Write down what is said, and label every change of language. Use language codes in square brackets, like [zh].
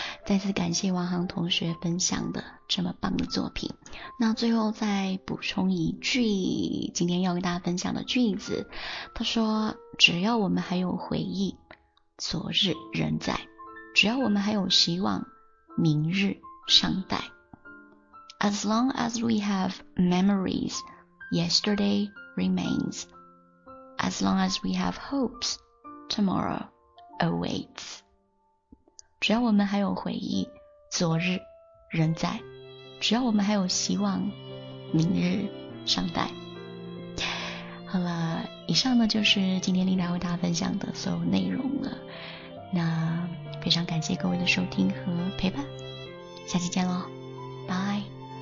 [zh] 再次感谢王航同学分享的这么棒的作品。那最后再补充一句，今天要跟大家分享的句子，他说：只要我们还有回忆，昨日仍在。只要我们还有希望，明日尚待。 [en] As long as we have memories, yesterday remains. As long as we have hopes, tomorrow awaits. [zh] 只要我们还有回忆，昨日仍在。只要我们还有希望，明日尚待。好了，以上呢就是今天琳达为大家分享的所有内容了。那非常感谢各位的收听和陪伴，下期见咯，拜。